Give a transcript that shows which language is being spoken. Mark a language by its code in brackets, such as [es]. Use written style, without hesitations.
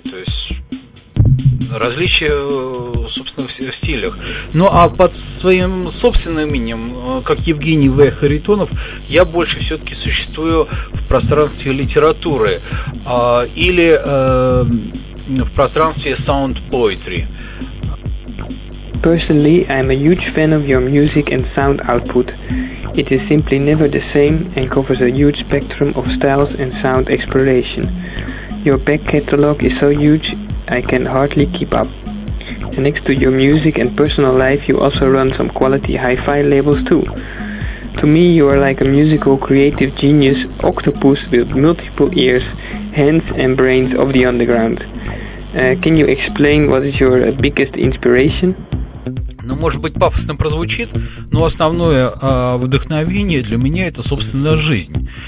[ru] То есть различие, собственно, в стилях. Ну а под своим собственным именем, как Евгений В. Харитонов, я больше все-таки существую в пространстве литературы. Или в пространстве sound poetry. [en] Personally, I am a huge fan of your music and sound output. It is simply never the same and covers a huge spectrum of styles and sound exploration. Your back catalog is so huge, I can hardly keep up. Next to your music and personal life, you also run some quality hi-fi labels too. To me, you are like a musical creative genius octopus with multiple ears, hands and brains of the underground. Can you explain what is your biggest inspiration? [ru] Ну, может быть, пафосно прозвучит, но основное вдохновение для меня – это, собственно, жизнь.